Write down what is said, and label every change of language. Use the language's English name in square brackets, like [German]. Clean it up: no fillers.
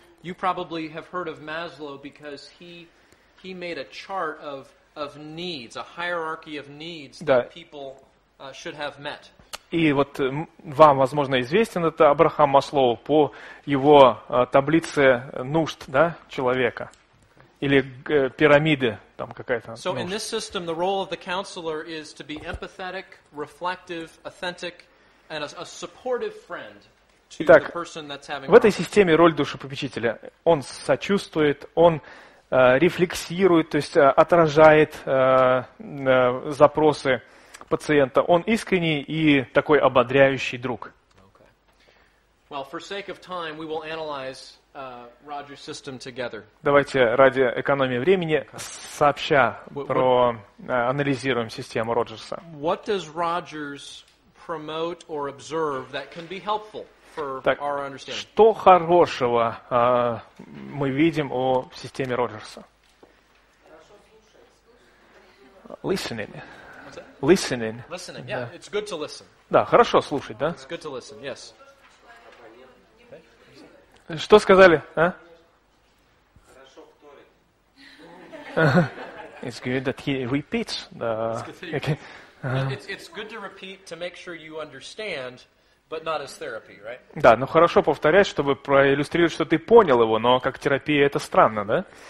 [English] You probably have heard of Maslow because he made a chart of needs, a hierarchy of needs that people should have met. [Russian] И вот вам, возможно, известен это Абрахам Маслоу по его таблице нужд, да, человека. Или пирамиды там какая-то. [English] So in this system the role of the counselor is to be empathetic, reflective, authentic. And a supportive friend to [Russian] Итак, [English] the person that's having [Russian] в этой системе роль душепопечителя. Он сочувствует, он рефлексирует, то есть отражает запросы пациента. Он искренний и такой ободряющий друг. [English] Okay. Well, for sake of time, we will analyze Roger's system together. [Russian] Давайте ради экономии времени сообща проанализируем систему Роджерса. [English] What does Rogers promote or observe that can be helpful for так, our understanding. [Russian] Что хорошего мы видим о системе Роджерса? [English] Listening. Listening. Yeah, it's good to listen. [Russian] Да, хорошо слушать, да? [English] It's good to listen. Yes. [Russian] Okay. Что сказали, а? [English] It's good that he repeats. It's good to repeat to make sure you understand, But not as therapy, right? [Russian] Да, ну хорошо повторять, чтобы проиллюстрировать, что ты понял его, но как терапия это странно, да?